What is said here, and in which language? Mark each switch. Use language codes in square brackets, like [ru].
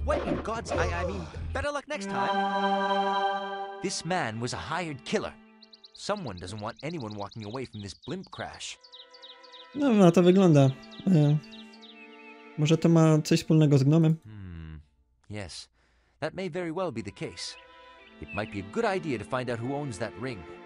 [en] What in God's I mean, better luck next time. This man was a hired killer. Someone doesn't want anyone walking away from this blimp crash. [pl] No, na to wygląda. Może to ma coś wspólnego z gnomem? [en] Yes. That may very well be the case. It might be a good idea to find out who owns that ring.